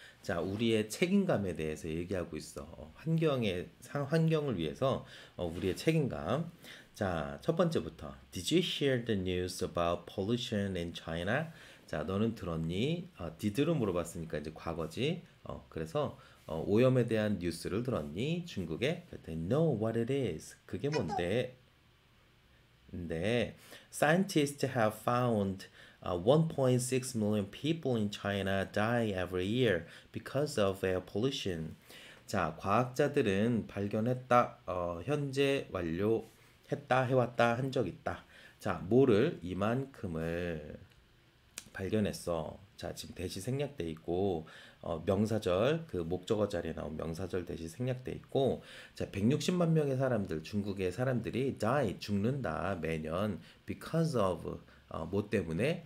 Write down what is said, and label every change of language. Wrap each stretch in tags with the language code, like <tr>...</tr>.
<ko>자, 우리의 책임감에 대해서 얘기하고 있어. 환경을 위해서 우리의 책임감. 자, 첫 번째부터.</ko> <en>Did you hear the news about pollution in China?</en> <ko>자, 너는 들었니? Did로 물어봤으니까 이제 과거지. 그래서 오염에 대한 뉴스를 들었니? 중국에?</ko> <en>No, what it is?</en> <ko>그게 뭔데? 근데</ko> <en>scientists have found 1.6 million people in China die every year because of air pollution.</en> <ko>자, 과학자들은 발견했다. 현재 완료 했다 해왔다 한적 있다. 자, 뭐를 이만큼을 발견했어. 자, 지금 대시 생략돼 있고 명사절 그 목적어 자리에 나온 명사절 대시 생략돼 있고 자, 160만 명의 사람들 중국의 사람들이 die 죽는다 매년 because of 뭐 때문에?</ko>